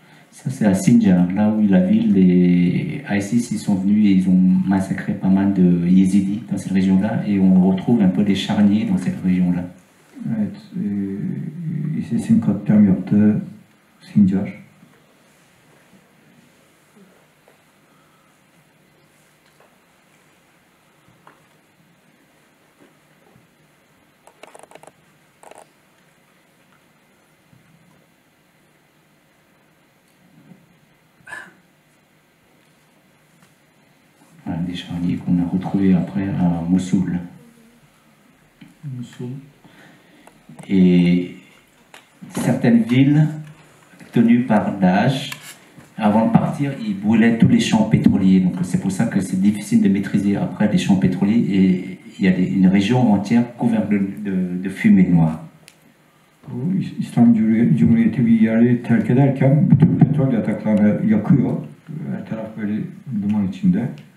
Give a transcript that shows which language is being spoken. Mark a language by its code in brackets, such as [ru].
[fr] Ça, c'est à Sinjar, là où la ville des ISIS, ils sont venus et ils ont massacré pas mal de yézidis dans cette région-là. Et on retrouve un peu des charniers dans cette région-là. [tr] Evet, ISIS'in katliam yaptığı Sincar. [fr] Des charniers qu'on a retrouvés après à Mossoul. Mossoul. Et certaines villes tenues par Daesh, avant de partir, ils brûlaient tous les champs pétroliers. Donc c'est pour ça que c'est difficile de maîtriser après les champs pétroliers. Et il y a une région entière couverte de fumée noire. [tr] bu İslam Cumhuriyeti bir yeri terk ederken bütün petrol yataklarını yakıyor. Her taraf böyle duman içinde.